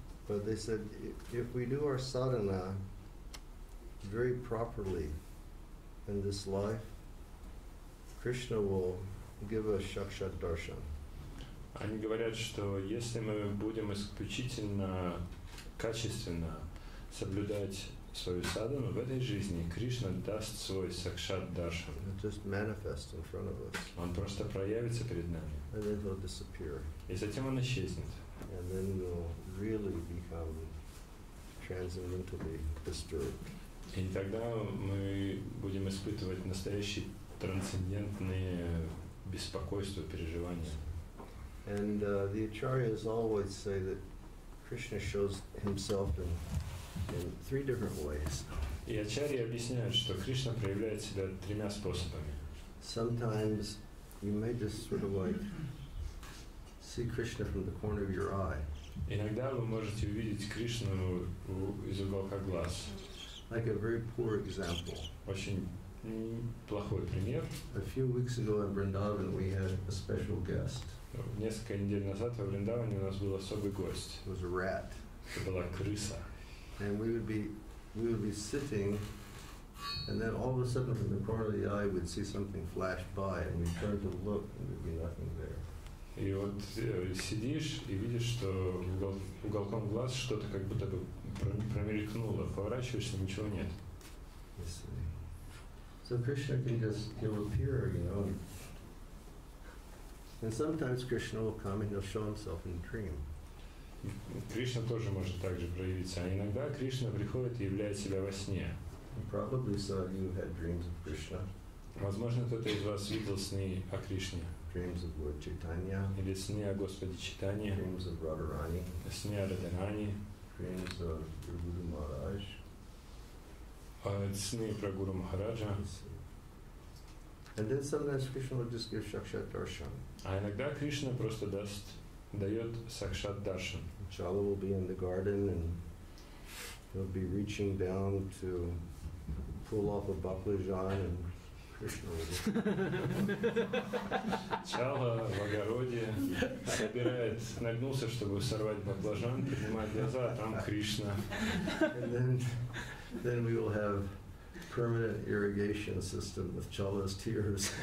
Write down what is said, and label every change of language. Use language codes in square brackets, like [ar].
[en] But they said if we do our sadhana very properly in this life, Krishna will give us shakshat darshan. [ru] Они говорят, что если мы будем исключительно качественно соблюдать свою садхану в этой жизни, Кришна даст свой сакшат даршан. [en] He'll just manifest in front of us. [ru] Он просто проявится перед нами. [en] And then he'll disappear. [ru] И затем он исчезнет. [en] And then we'll really become transcendentally disturbed. [ru] И тогда мы будем испытывать настоящие трансцендентные беспокойства, переживания. [en] And the acharyas always say that Krishna shows himself in three different ways. [ru] И ачарьи объясняют, что Кришна проявляет себя тремя способами. [en] Sometimes you may just sort of like see Krishna from the corner of your eye. [ru] Иногда вы можете увидеть Кришну из уголка глаз. [en] Like a very poor example. [ru] Очень плохой пример. [en] A few weeks ago in Vrindavan we had a special guest. [ru] Несколько недель назад во Вриндаване у нас был особый гость. [en] It was a rat. [ru] Это была крыса. [en] And we would be we would be sitting, and then all of a sudden from the corner of the eye we'd see something flash by, and we'd turn to look, and there'd be nothing there. [ru] И вот сидишь и видишь, что уголком глаз что-то как будто бы промелькнуло, поворачиваешься, ничего нет. [en] So Krishna can just he'll appear, you know. And sometimes Krishna will come and he'll show himself in a dream. [ru] Кришна тоже может также проявиться, а иногда Кришна приходит и являет себя во сне. [en] Probably some of you had dreams of Krishna. [ru] Возможно, кто-то из вас видел сны о Кришне. [en] Dreams of Lord Chaitanya. [ru] Или сны о Господе Читания. [en] Dreams of Radharani. [ru] Сны о Радхарани. [en] Dreams of Guru Maharaj. [ru] Сны про Гуру Махараджа. [en] And then sometimes Krishna will just give Shakshat Darshan. [ru] А иногда Кришна просто дает Сакшат Даршан. [en] Чала will be in the garden and he'll be reaching down to pull off a baklajan and [ru] Чала в огороде собирает, нагнулся, чтобы сорвать баклажан, поднимает глаза, а там Кришна. [en] And then we will have permanent irrigation system with Chala's tears.